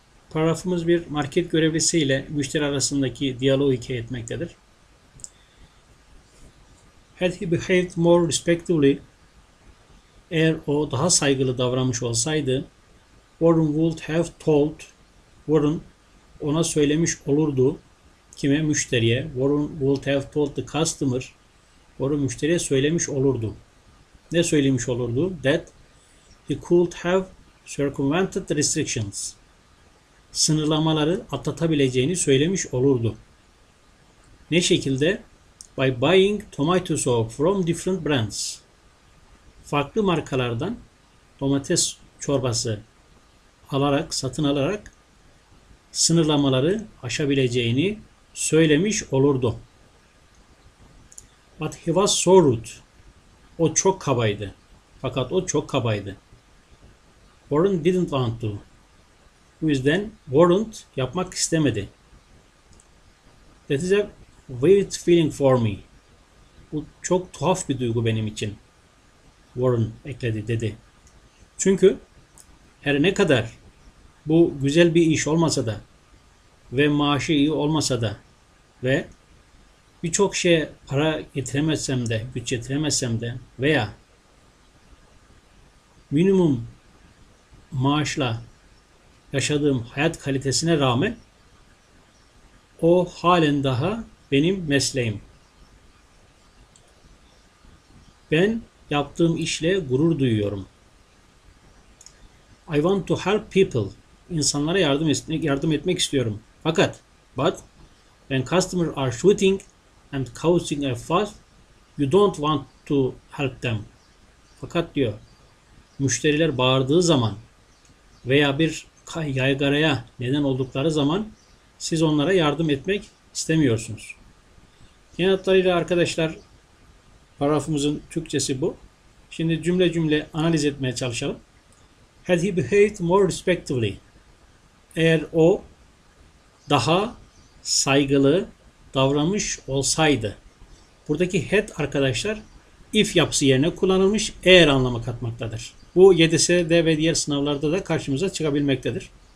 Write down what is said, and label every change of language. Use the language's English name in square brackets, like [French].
[Turkish] Paragrafımız bir market görevlisi ile müşteri arasındaki diyaloğu hikaye etmektedir. [English] Had he behaved more respectfully, [Turkish] eğer o daha saygılı davranmış olsaydı, [English] Warren would have told, [Turkish] Warren ona söylemiş olurdu. Kime? Müşteriye. [English] Warren would have told the customer. [Turkish] Warren müşteriye söylemiş olurdu. Ne söylemiş olurdu? [English] That he could have circumvented the restrictions. [Turkish] Sınırlamaları atlatabileceğini söylemiş olurdu. Ne şekilde? [English] By buying tomato sauce from different brands. [Turkish] Farklı markalardan domates çorbası alarak, satın alarak sınırlamaları aşabileceğini söylemiş olurdu. [English] But he was so rude. [Turkish] O çok kabaydı. Fakat o çok kabaydı. [English] Warren didn't want to. [Turkish] Bu yüzden Warren yapmak istemedi. [English] That is a weird feeling for me. [Turkish] Bu çok tuhaf bir duygu benim için. Warren ekledi, dedi. Çünkü her ne kadar bu güzel bir iş olmasa da ve maaşı iyi olmasa da ve birçok şeye para getiremezsem de, güç getiremezsem de veya minimum maaşla yaşadığım hayat kalitesine rağmen o halen daha benim mesleğim. Ben yaptığım işle gurur duyuyorum. [English] I want to help people. [Turkish] İnsanlara yardım etmek istiyorum. [English] Fakat, but when customers are shooting and causing a fuss, you don't want to help them. [Turkish] Fakat diyor, müşteriler bağırdığı zaman veya bir yaygaraya neden oldukları zaman siz onlara yardım etmek istemiyorsunuz. Genel hatlarıyla arkadaşlar, paragrafımızın Türkçesi bu. Şimdi cümle cümle analiz etmeye çalışalım. [English] Had he behaved more respectfully? [Turkish] Eğer o daha saygılı davranmış olsaydı. Buradaki had arkadaşlar if yapısı yerine kullanılmış eğer anlamı katmaktadır. Bu YDS'de ve diğer sınavlarda da karşımıza çıkabilmektedir.